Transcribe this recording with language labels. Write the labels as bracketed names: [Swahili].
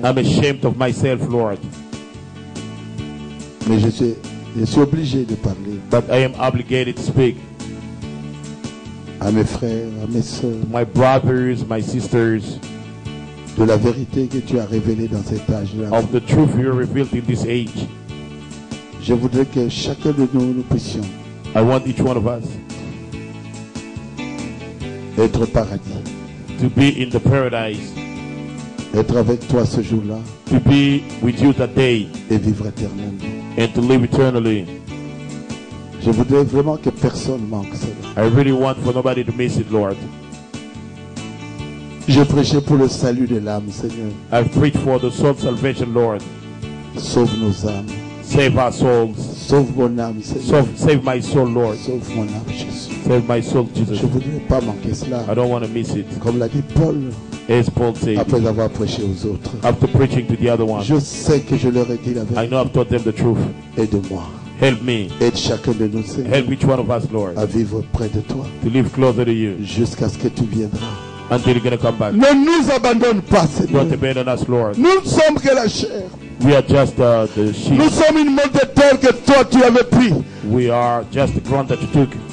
[English] I'm ashamed of myself, Lord. [French] Mais je suis obligé de parler. [English] But I am obligated to speak. [French] À mes frères, à mes sœurs. [English] My brothers, my sisters. [French] De la vérité que tu as révélée dans cet âge-là. [English] Of the truth you revealed in this age. [French] Je voudrais que chacun de nous puissions. [English] I want each one of us. [French] Être au paradis. [English] To be in the paradise. [French] Être avec toi ce jour-là. [English] To be with you that day. [French] Et vivre éternellement. [English] And to live eternally. [French] Je voudrais vraiment que personne manque cela. [English] I really want for nobody to miss it, Lord. [French] Je prêchais pour le salut de l'âme, Seigneur. [English] I've preached for the soul salvation, Lord. [French] Sauve nos âmes. [English] Save our souls. [French] Sauve mon âme, Seigneur. [English] Save my soul, Lord. [French] Sauve mon âme, Jésus. [English] Save my soul, Jesus. [French] Je voudrais pas manquer cela. [English] I don't want to miss it. [French] Comme l'a dit Paul. [English] As Paul said. [French] Après avoir prêché aux autres. [English] After preaching to the other ones. [French] Je sais que je leur ai dit la vérité. [English] I know I've taught them the truth. [French] Aide-moi. [English] Help me. [French] Aide chacun de nous, Seigneur. [English] Help each one of us, Lord. [French] À vivre près de toi. [English] To live closer to you. [French] Jusqu'à ce que tu viendras. [English] Until you're gonna come back. [French] Ne nous abandonne pas, Seigneur. [English] Don't abandon us, Lord. [French] Nous ne sommes que la chair. [English] We are just the sheep. [French] Nous sommes une molle de terre que toi tu avais pris. [English] We are just the ground that you took.